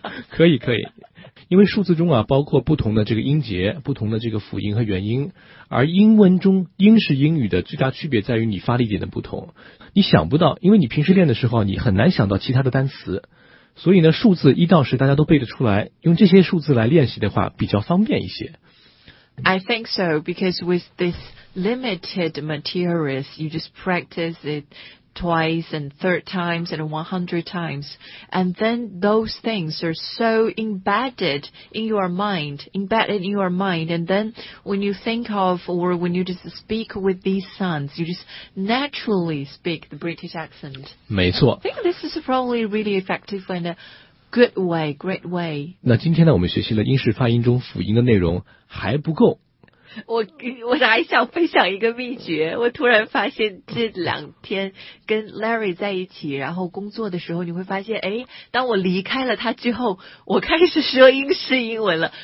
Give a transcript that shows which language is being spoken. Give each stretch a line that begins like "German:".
Chinese: 可以可以，因为数字中啊包括不同的这个音节、不同的这个辅音和元音，而英文中英式英语的最大区别在于你发力点的不同。你想不到，因为你平时练的时候你很难想到其他的单词，所以呢数字一到十大家都背得出来，用这些数字来练习的话比较方便一些。
English: I think so, because with this limited materials, you just practice it twice and third times and 100 times. And then those things are so embedded in your mind, embedded in your mind. And then when you think of or when you just speak with these sounds, you just naturally speak the British accent.
Chinese: 没错。
English: I think this is probably really effective and a good way, great way.
Chinese: 那今天呢我们学习了英式发音中辅音的内容还不够。我还想分享一个秘诀，我突然发现这两天跟 Larry 在一起然后工作的时候，你会发现哎，当我离开了他之后我开始说英式英文了。